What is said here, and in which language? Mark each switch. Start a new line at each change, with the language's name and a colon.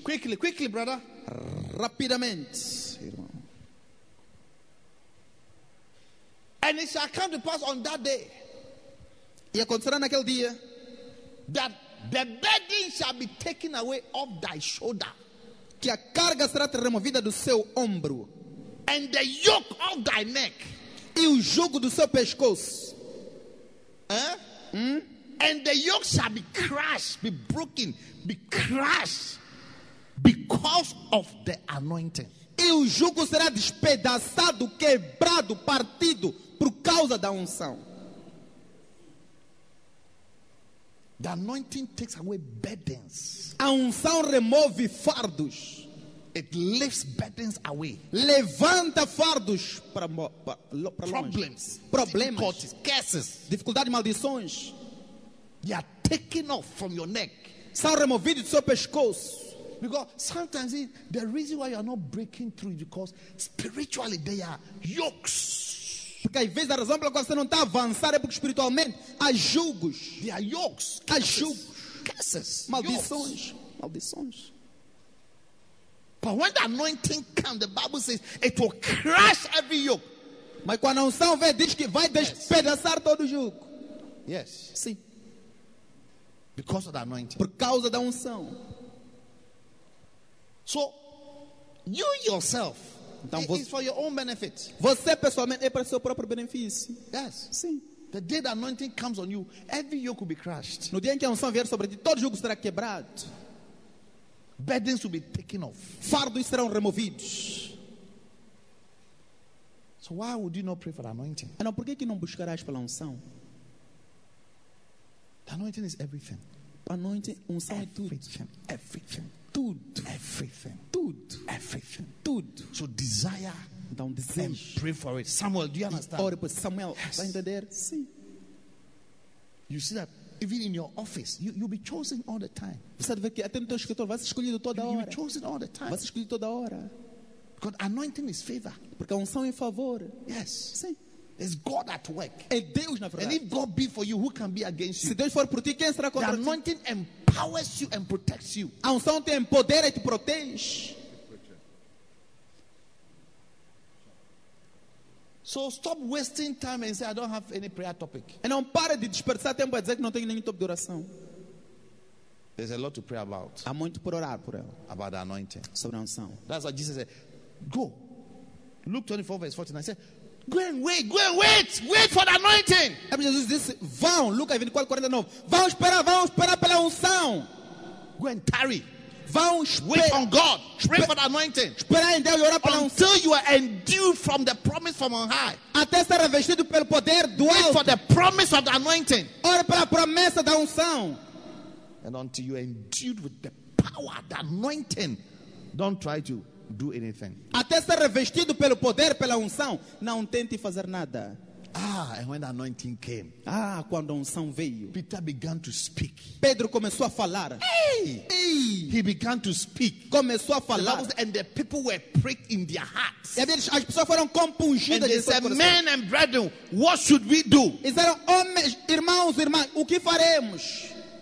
English: Quickly, quickly, brother.
Portuguese: Rapidamente.
English: And it shall come to pass on that day.
Portuguese: E acontecerá naquele dia.
English: that the burden shall be taken away off thy shoulder,
Portuguese: que a carga será removida do seu ombro,
English: and the yoke of thy neck,
Portuguese: e o jugo do seu pescoço. Eh? Mm?
English: And the yoke shall be crushed, be broken, be crushed because of the anointing.
Portuguese: E o jugo será despedaçado, quebrado, partido por causa da unção.
English: The anointing takes away burdens.
Portuguese: A unção remove fardos.
English: It lifts burdens away.
Portuguese: Levanta fardos para longe.
English: Problems.
Portuguese: Problemas.
English: Difficulties. Curses.
Portuguese: Dificuldades, maldições.
English: They are taken off from your neck.
Portuguese: São removidos do seu pescoço.
English: Because sometimes the reason why you are not breaking through is because spiritually they are yokes.
Portuguese: Porque às vezes a razão pela qual você não está avançando é porque espiritualmente há jugos.
English: They are yokes.
Portuguese: Há jugos.
English: Curses.
Portuguese: Maldições. Maldições.
English: But when the anointing comes, the Bible says it will crush every yoke.
Portuguese: Mas quando a unção vem, diz que vai despedaçar todo jugo.
English: Yes.
Portuguese: Sim.
English: Because of the anointing.
Portuguese: Por causa da unção.
English: So, you yourself,
Portuguese: então,
English: it is for your own benefit.
Portuguese: Você pessoalmente é para seu próprio benefício.
English: Yes.
Portuguese: Sim.
English: The day the anointing comes on you, every yoke will be crushed.
Portuguese: No dia em que a unção vier sobre ti, todo jugo será quebrado.
English: Burdens will be taken off.
Portuguese: Fardos serão removidos.
English: So why would you not pray for anointing?
Portuguese: Então, por que que não buscarás pela unção?
English: The anointing is everything.
Portuguese: Anointing, unção
English: everything,
Portuguese: é tudo.
English: Everything.
Portuguese: Tudo.
English: Everything.
Portuguese: Tudo.
English: Everything.
Portuguese: Tudo.
English: So desire,
Portuguese: então, desejo,
English: and pray for it. Samuel, do you understand?
Portuguese: Ore por Samuel.
English: Yes.
Portuguese: Vai entender? Sim.
English: You see that? Even in your office, you'll be chosen all the time.
Portuguese: Você deve ver que até no teu escritório vai ser escolhido toda hora.
English: You'll be chosen all the time.
Portuguese: Vai ser escolhido toda hora.
English: Because anointing is favor.
Portuguese: Porque a unção é favor.
English: Yes.
Portuguese: Sim.
English: It's God at work.
Portuguese: É Deus na verdade.
English: And if God be for you, who can be against you?
Portuguese: Se Deus for por ti, quem será contra ti?
English: The anointing empowers you and protects you.
Portuguese: A unção te empodera e te protege.
English: So stop wasting time and say I don't have any prayer topic.
Portuguese: E não pare de desperdiçar tempo a dizer que não tenho nenhum tópico de oração.
English: There's a lot to pray about.
Portuguese: Há muito por orar por ela.
English: About the anointing.
Portuguese: Sobre a unção.
English: That's what Jesus said. Go. Luke 24 verse 49. He said, go and wait. Wait for the anointing.
Portuguese: É Jesus disse, vão. Lucas 24, 49. Vão esperar pela unção.
English: Go and tarry.
Portuguese: Vão
English: wait on God. Pray for the anointing.
Portuguese: Espera em Deus e ora pela unção.
English: Until you are endued from the promise from on high.
Portuguese: Até ser revestido pelo poder do
English: alto. Wait for the promise of the anointing.
Portuguese: Ora pela promessa da unção.
English: And until you are endued with the power, the anointing, don't try to do anything.
Portuguese: Até ser revestido pelo poder, pela unção, não tente fazer nada.
English: Ah, and when the anointing came.
Portuguese: Ah, quando a unção veio.
English: Peter began to speak.
Portuguese: Pedro começou a falar.
English: Hey! He began to speak.
Portuguese: Começou a falar.
English: And the people were pricked in their hearts.
Portuguese: E as pessoas foram compungidas.
English: And they said, men and brethren, what should we do?
Portuguese: E disseram, homens, irmãos, irmãs, o que faremos?